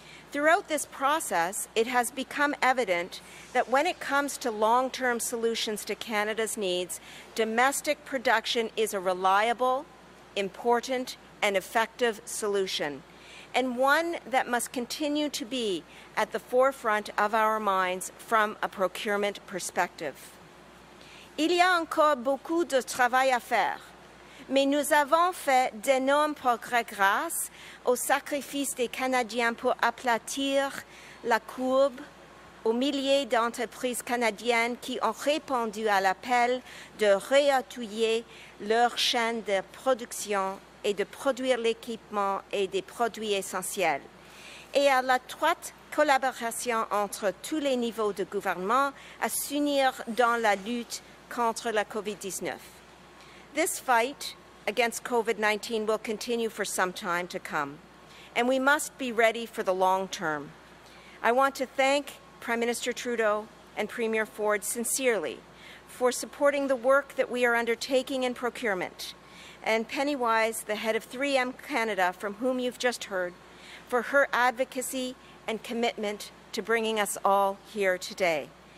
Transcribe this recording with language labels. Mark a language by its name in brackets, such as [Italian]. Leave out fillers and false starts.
[English] Throughout this process, it has become evident that when it comes to long-term solutions to Canada's needs, domestic production is a reliable, important, and effective solution, and one that must continue to be at the forefront of our minds from a procurement perspective. [French] Il y a encore beaucoup de travail à faire, mais nous avons fait d'énormes progrès grâce au sacrifice des Canadiens pour aplatir la courbe aux milliers d'entreprises canadiennes qui ont répondu à l'appel de réatouiller leur chaîne de production et de produire l'équipement et des produits essentiels. Et à l'étroite collaboration entre tous les niveaux de gouvernement à s'unir dans la lutte contre la COVID-19. [English] This fight against COVID-19 will continue for some time to come, and we must be ready for the long term. I want to thank Prime Minister Trudeau and Premier Ford sincerely for supporting the work that we are undertaking in procurement, and Penny Wise, the head of 3M Canada, from whom you've just heard, for her advocacy and commitment to bringing us all here today.